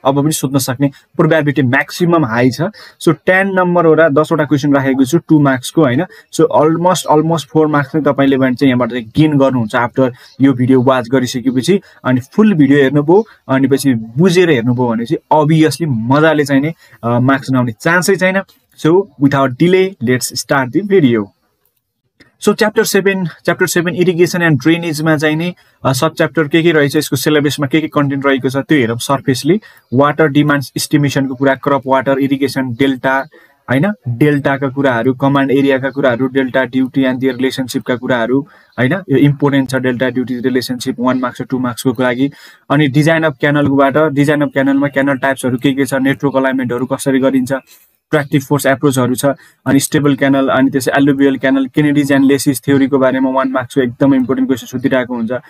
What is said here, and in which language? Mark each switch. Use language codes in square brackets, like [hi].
[ne] अब पनि सोध्न सक्ने प्रोबेबिलिटी म्याक्सिमम हाई छ. सो 10 नम्बर वटा 10 वटा क्वेशन राखेको छु 2 मार्क्स को हैन. सो अलमोस्ट 4 मार्क्स नै तपाईले भने चाहिँ यहाँबाट चाहिँ गेन गर्नुहुन्छ आफ्टर यो भिडियो वाच गरिसकेपछि. अनि फुल भिडियो हेर्नुभयो अनि पछि बुझेर हेर्नुभयो भने चाहिँ obviously मजाले चाहिँ नि मार्क्स नआउने चान्सै छैन. [en] So without delay let's start the video. [ne] So chapter 7 irrigation and drainage मा चाहिँ नि सब च्याप्टर के रहेछ, यसको सिलेबस मा के कन्टेन्ट रहेको छ त्यो हेरौ. सर्फेसली वाटर डिमांड्स एस्टिमेशन को कुरा, क्रप वाटर इरिगेशन डेल्टा हैन, डेल्टा का कुराहरु, कमान्ड एरिया का कुराहरु, delta duty and their relationship का कुराहरु हैन. यो इम्पोर्टेन्ट छ डेल्टा ड्युटी रिलेशनशिप 1 मार्क्स र 2 मार्क्स को लागि. अनि design of channel कोबाट, design of channel मा च्यानल टाइप्स हरु के छ, नेटवर्क अलाइनमेन्ट हरु कसरी गरिन्छ, ट्रैक्टिव फोर्स एप्रोच हरू छा, अनि स्टेबल क्यानल, अनि त्यसै alluvial canal, किनेडिज and laces theory को बारेमा 1 मार्क्स को एकदम इम्पोर्टेन्ट क्वेशन सोधिराको हुन्छ.